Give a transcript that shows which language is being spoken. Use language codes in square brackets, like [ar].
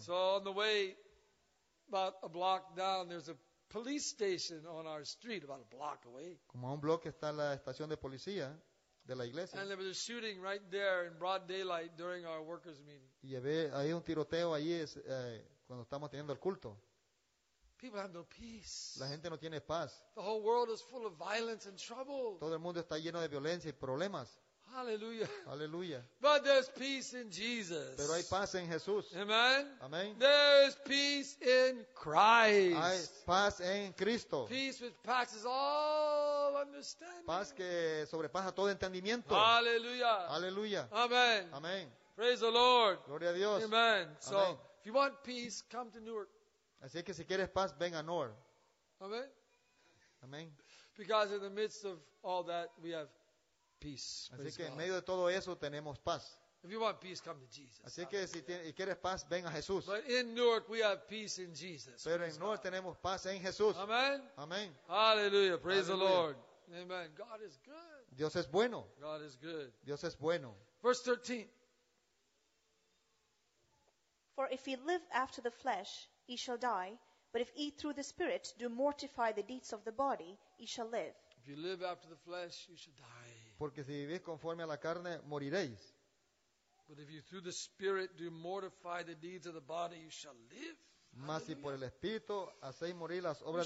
[en] So on the way, about a block down, there's a police station on our street, about a block away. [es] Como a un bloque está la estación de policía de la iglesia. [en] And there was a shooting right there in broad daylight during our workers' meeting. [es] Y hay un tiroteo allí cuando estamos teniendo el culto. [en] People have no peace. [es] La gente no tiene paz. [en] The whole world is full of violence and trouble. [es] Todo el mundo está lleno de violencia y problemas. [en] Hallelujah. Hallelujah. But there's peace in Jesus. [es] Pero hay paz en Jesús. [en] Amen. Amen. There is peace in Christ. [es] Hay paz en Cristo. [en] Peace which passes all understanding. [es] Paz que sobrepasa todo entendimiento. [en] Hallelujah. Hallelujah. Amen. Amen. Praise the Lord. [es] Gloria a Dios. [en] Amen. So, Amen. If you want peace, come to Newark. [es] Así que si quieres paz, ven a Nor. [en] Amen. Amen. Because in the midst of all that, we have peace. [es] Así que [en] God. [es] En medio de todo eso tenemos paz. [en] If you want peace, come to Jesus. [es] Así que si quieres paz, ven a Jesús. [en] But in Newark, we have peace in Jesus. [es] Pero en Nor tenemos paz en Jesús. [en] Amen. Amen. Hallelujah. Praise Hallelujah. The Lord. Amen. God is good. [es] Dios es bueno. [en] God is good. [es] Dios es bueno. [en] Verse 13. For if ye live after the flesh, ye shall die. But if ye through the Spirit do mortify the deeds of the body, ye shall live. If you live after the flesh, you shall die. [es] Porque si vivís conforme a la carne, moriréis. [en] But if you through the Spirit do mortify the deeds of the body, you shall live. [es] Mas si por el Espíritu hacéis morir las obras